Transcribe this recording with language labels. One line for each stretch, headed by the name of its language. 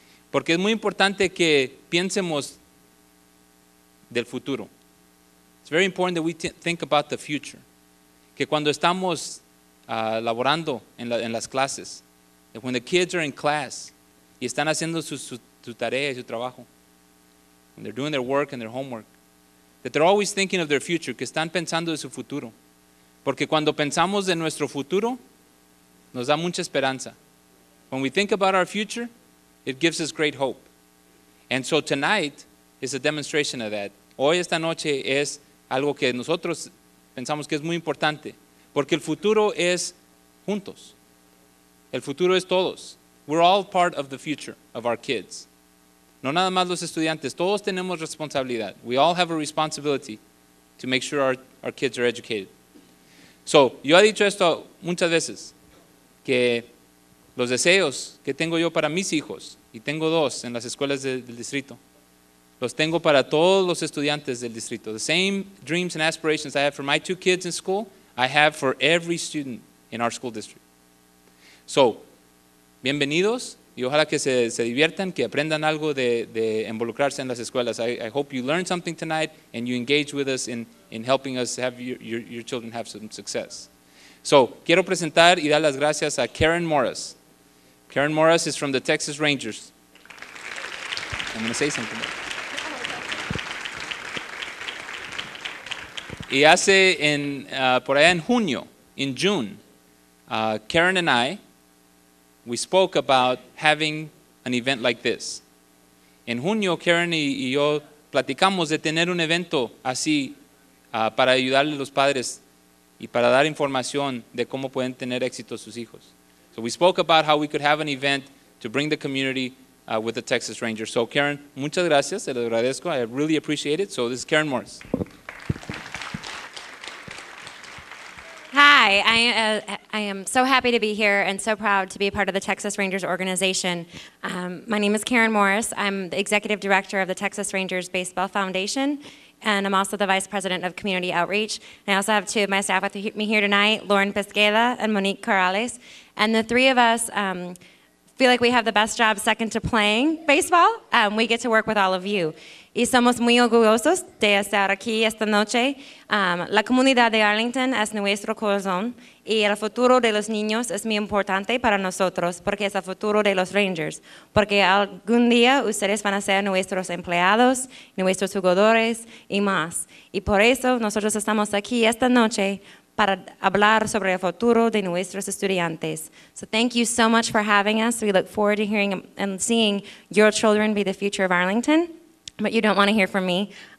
Spanish: Porque es muy importante que piensemos del futuro.
English: It's very important that we think about the future.
Spanish: Que cuando estamos laborando en las clases,
English: that when the kids are in class
Spanish: y están haciendo su tarea y su trabajo,
English: when they're doing their work and their homework, that they're always thinking of their future,
Spanish: que están pensando de su futuro. Porque cuando pensamos de nuestro futuro, nos da mucha esperanza.
English: When we think about our future, it gives us great hope. And so tonight is a demonstration of that.
Spanish: Hoy, esta noche, es algo que nosotros pensamos que es muy importante. Porque el futuro es juntos. El futuro es todos.
English: We're all part of the future of our kids.
Spanish: No nada más los estudiantes, todos tenemos responsabilidad.
English: We all have a responsibility to make sure our kids are educated.
Spanish: So, yo he dicho esto muchas veces, que los deseos que tengo yo para mis hijos, y tengo dos en las escuelas del distrito, los tengo para todos los estudiantes del distrito.
English: The same dreams and aspirations I have for my two kids in school, I have for every student in our school district.
Spanish: So, bienvenidos. Y ojalá que se diviertan, que aprendan algo de involucrarse en las escuelas.
English: I hope you learn something tonight and you engage with us in helping us have your children have some success.
Spanish: So, quiero presentar y dar las gracias a Karen Morris.
English: Karen Morris is from the Texas Rangers. I'm going to say something.
Spanish: Y hace
English: in June, Karen and I, we spoke about having an event like this.
Spanish: En junio, Karen y yo platicamos de tener un evento así para ayudarle a los padres y para dar información de cómo pueden tener éxito sus hijos.
English: So we spoke about how we could have an event to bring the community with the Texas Rangers. So Karen,
Spanish: muchas gracias, se lo agradezco.
English: I really appreciate it. So this is Karen Morris. Hi, I am so happy to be here and so proud to be a part of the Texas Rangers organization. My name is Karen Morris. I'm the executive director of the Texas Rangers Baseball Foundation, and I'm also the vice president of community outreach. And I also have two of my staff with me here tonight, Lauren Pesqueda and Monique Corrales. And the three of us feel like we have the best job second to playing baseball. We get to work with all of you.
Spanish: Y somos muy orgullosos de estar aquí esta noche. La comunidad de Arlington es nuestro corazón y el futuro de los niños es muy importante para nosotros porque es el futuro de los Rangers. Porque algún día ustedes van a ser nuestros empleados, nuestros jugadores y más. Y por eso nosotros estamos aquí esta noche para hablar sobre el futuro de nuestros estudiantes.
English: So thank you so much for having us. We look forward to hearing and seeing your children be the future of Arlington. But you don't want to hear from me.